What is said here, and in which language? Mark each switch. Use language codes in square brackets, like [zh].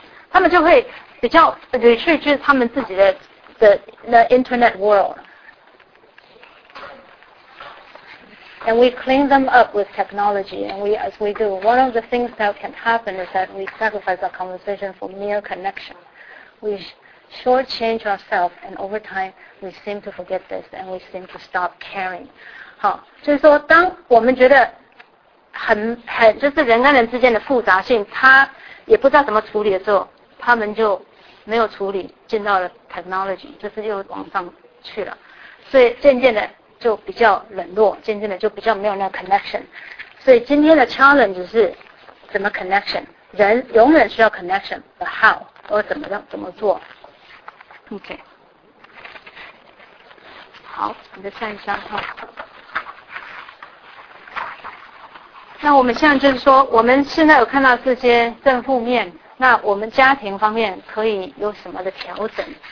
[zh] 他们就会比较 retreat 他们自己的 internet world， [en] and we clean them up with technology， and we as we do one of the things that can happen is that we sacrifice our conversation for mere connection。 We shortchange ourselves, and over time, we seem to forget this, and we seem to stop caring. [zh] 好，就是说，当我们觉得很，就是人跟人之间的复杂性，他也不知道怎么处理的时候，他们就没有处理，进到了 technology， 就是又往上去了，所以渐渐的就比较冷落，渐渐的就比较没有那个 connection。所以今天的 challenge 是怎么 connection？人永远需要 connection， [en] but how？ [zh] 我怎么做 ？OK， 好，你再看一下哈。那我们现在就是说，我们现在有看到这些正负面，那我们家庭方面可以有什么的调整？